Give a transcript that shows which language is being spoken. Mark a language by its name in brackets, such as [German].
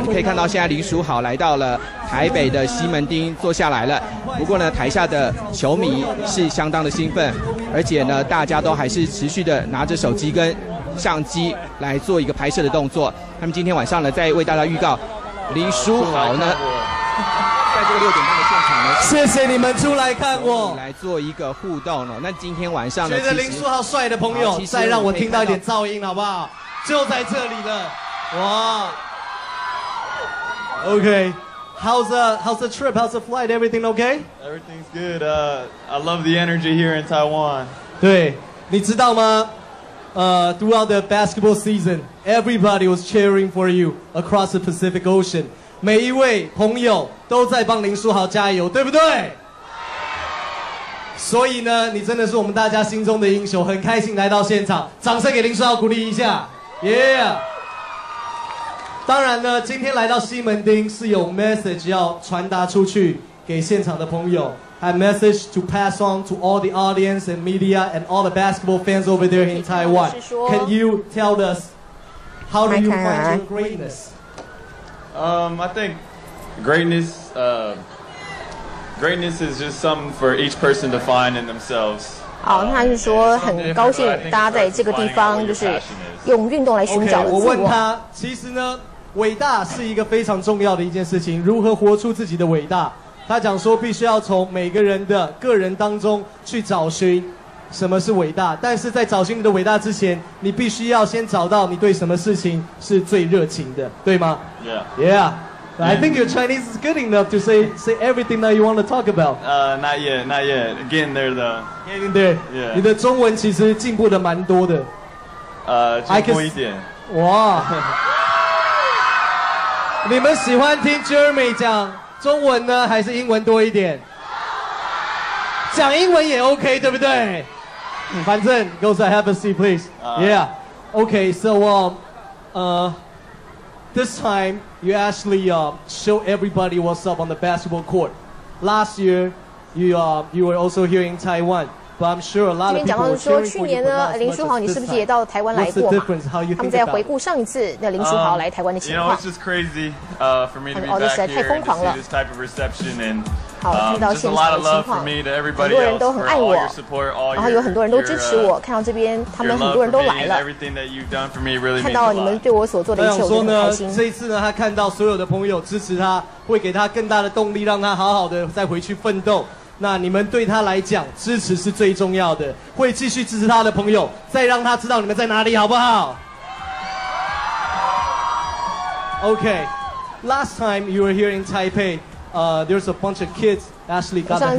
[Chinese] 你可以看到现在林书豪来到了台北的西门町坐下来了，不过呢台下的球迷是相当的兴奋，而且呢大家都还是持续的拿着手机跟相机来做一个拍摄的动作。那么今天晚上呢再为大家预告林书豪呢在这个6:30的现场呢，谢谢你们出来看我来做一个互动了。那今天晚上呢觉得林书豪帅的朋友再让我听到一点噪音好不好，就在这里了。 [English] 哇 OK, how's the trip, how's the flight, everything OK, everything's good, I love the energy here in Taiwan. [Chinese] 对，你知道吗， [English] throughout the basketball season, everybody was cheering for you across the Pacific Ocean. [Chinese] 每一位朋友都在帮林书豪加油，对不对？所以呢，你真的是我们大家心中的英雄，很开心来到现场，掌声给林书豪鼓励一下。 Yeah! 当然呢，今天来到西门町是有 message 要传达出去给现场的朋友。 [English] have a message to pass on to all the audience and media and all the basketball fans over there in Taiwan. Can you tell us how do you find your greatness? I think greatness, greatness is just something for each person to find in themselves. [Chinese] 他是说很高兴大家在这个地方就是用运动来寻找自我。我问他，其实呢，伟大是一个非常重要的一件事情，如何活出自己的伟大？他讲说必须要从每个人的个人当中去找寻什么是伟大，但是在找寻你的伟大之前，你必须要先找到你对什么事情是最热情的，对吗？ [English] Yeah. Yeah. I think your Chinese is good enough to say everything that you want to talk about. Not yet, not yet. Getting there though. Getting there. Yeah. [Chinese] 你的中文其实进步的蛮多的。进步一点。哇。你们喜欢听 Jeremy 讲中文呢，还是英文多一点？讲英文也 OK， 对不对？反正 [English] go to have a seat, please. Yeah. Okay. So, this time you actually show everybody what's up on the basketball court. Last year, you were also here in Taiwan. But I'm sure a lot of people. [Chinese] 今天讲到是说，去年呢，林书豪，你是不是也到台湾来过嘛？ [English] What's the difference? How you think about it? [Chinese] 他们在回顾上一次那林书豪来台湾的情况。 [English] You know, it's just crazy for me to be back here. [Chinese] 太疯狂了。 [English] This type of reception and. Just a lot of love for me to everybody else for all your support, all your. [Chinese] 然后有很多人都支持我，看到这边他们很多人都来了。 [English] Everything that you've done for me really means a lot. [Chinese] 看到你们对我所做的一切，我真的很开心。这一次呢，他看到所有的朋友支持他，会给他更大的动力，让他好好的再回去奋斗。那你们对他来讲，支持是最重要的。会继续支持他的朋友，再让他知道你们在哪里，好不好 ？ [English] Okay, last time you were here in Taipei, there's a bunch of kids actually got the help from you.